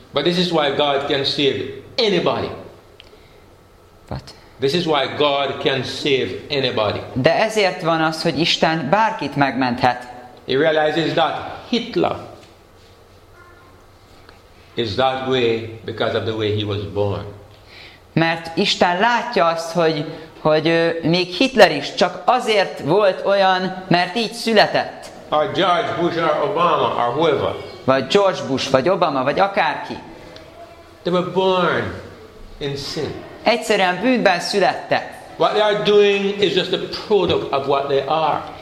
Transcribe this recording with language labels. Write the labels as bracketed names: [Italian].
[English] But this is why God can save anybody. This is why God can save anybody. [Hungarian] De ezért van az, hogy Isten bárkit megmenthet. [English] He realizes that Hitler is that way because of the way he was born. [Hungarian] Mert Isten látja azt, hogy még Hitler is csak azért volt olyan, mert így született. [English] Or George Bush or Obama or whoever. [Hungarian] Vagy George Bush, vagy Obama, vagy akárki. [English] They were born in sin. [Hungarian] Egyszerűen bűnben születtek. [English] What they are doing is just a product of what they are.